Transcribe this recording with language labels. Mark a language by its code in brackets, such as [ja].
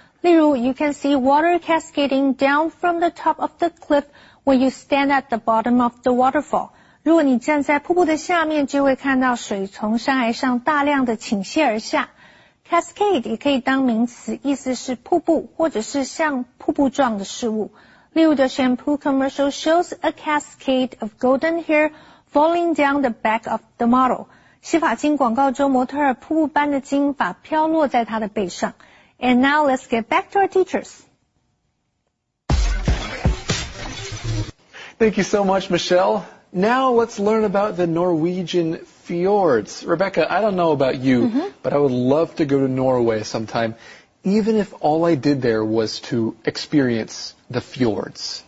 [zh] 例如, [en] you can see water cascading down from the top of the cliff when you stand at the bottom of the waterfall. [zh] 如果你站在瀑布的下面，就会看到水从山崖上大量的倾泻而下。 Cascade 也可以当名词, 意思是瀑布或者是像瀑布状的事物。例如, [en] the shampoo commercial shows a cascade of golden hair falling down the back of the model. [zh] 洗发精广告中模特儿瀑布般的金发飘落在她的背上。 [en] And now let's get back to our teachers. Thank you so much, Michelle. Now let's learn about the Norwegian fjords. Rebecca, I don't know about you,、mm-hmm. but I would love to go to Norway sometime, even if all I did there was to experience the fjords.